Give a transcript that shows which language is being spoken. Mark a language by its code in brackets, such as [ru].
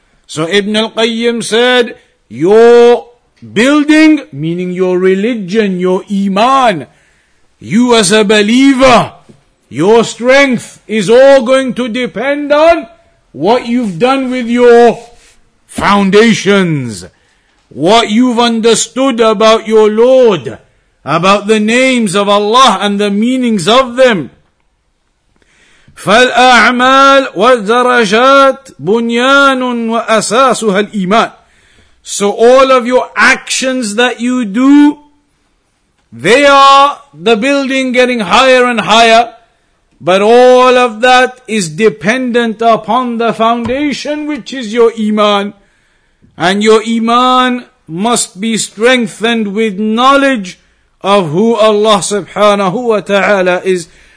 [en] So Ibn al-Qayyim said, your building, meaning your religion, your iman, you as a believer, your strength is all going to depend on what you've done with your foundations, what you've understood about your Lord, about the names of Allah and the meanings of them. [ar] فالأعمال والدرجات بنيان وأساسها الإيمان. [en] So all of your actions that you do, they are the building getting higher and higher, but all of that is dependent upon the foundation, which is your iman. And your iman must be strengthened with knowledge of who Allah subhanahu wa ta'ala is.